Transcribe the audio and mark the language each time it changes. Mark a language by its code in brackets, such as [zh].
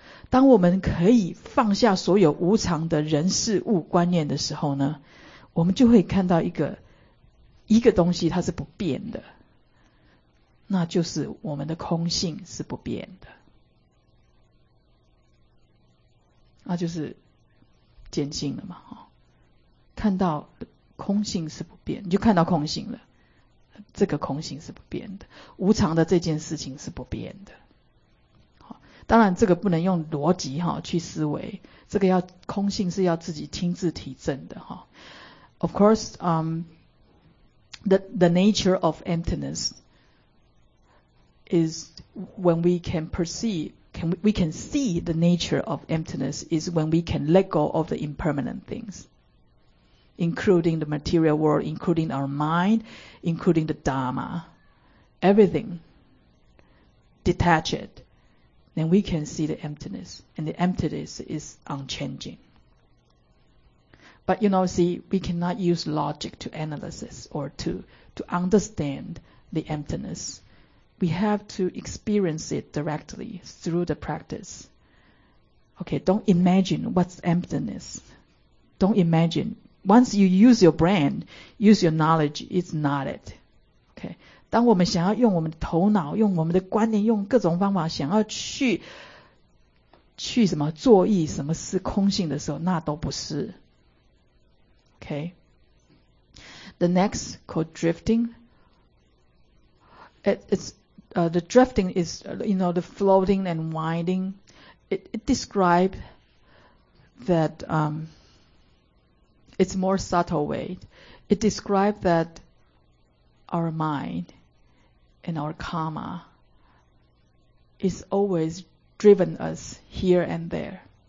[zh] 当我们可以放下所有无常的人事物观念的时候呢，我们就会看到一个东西它是不变的，那就是我们的空性是不变的，那就是见性了嘛，看到空性是不变，你就看到空性了，这个空性是不变的，无常的这件事情是不变的。当然这个不能用逻辑去思维，这个要空性是要自己亲自体证的。 [en] Of course, the nature of emptiness is when we can perceive, we can see the nature of emptiness is when we can let go of the impermanent things, including the material world, including our mind, including the Dharma, everything, detach it. Then we can see the emptiness, and the emptiness is unchanging. But you know, see, we cannot use logic to analyze or to understand the emptiness. We have to experience it directly through the practice. Okay, don't imagine what's emptiness. Don't imagine. Once you use your brain, use your knowledge, it's not it. Okay. [zh] 当我们想要用我们的头脑，用我们的观念，用各种方法想要去什么作意什么是空性的时候，那都不是。 [en] OK, the next called drifting, the drifting is, you know, the floating and winding, it describes that it's more subtle way, it describes that our mindAnd our karma is always driven us here and there.